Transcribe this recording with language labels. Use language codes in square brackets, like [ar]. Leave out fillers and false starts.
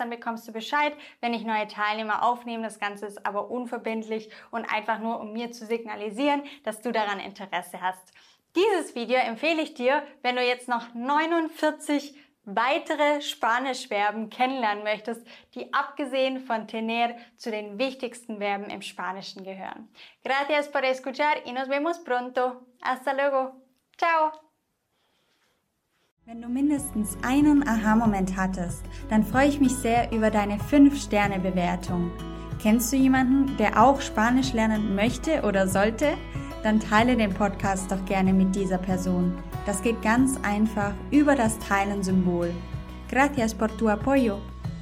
[de] Dann bekommst du Bescheid, wenn ich neue Teilnehmer aufnehme. Das Ganze ist aber unverbindlich und einfach nur, um mir zu signalisieren, dass du daran Interesse hast. Dieses Video empfehle ich dir, wenn du jetzt noch 49 weitere Spanischverben kennenlernen möchtest, die abgesehen von tener zu den wichtigsten Verben im Spanischen gehören. [es] Gracias por escuchar y nos vemos pronto. Hasta luego. Ciao. [de] Wenn du mindestens einen Aha-Moment hattest, dann freue ich mich sehr über deine 5-Sterne-Bewertung. Kennst du jemanden, der auch Spanisch lernen möchte oder sollte? Dann teile den Podcast doch gerne mit dieser Person. Das geht ganz einfach über das Teilen-Symbol. [es] Gracias por tu apoyo.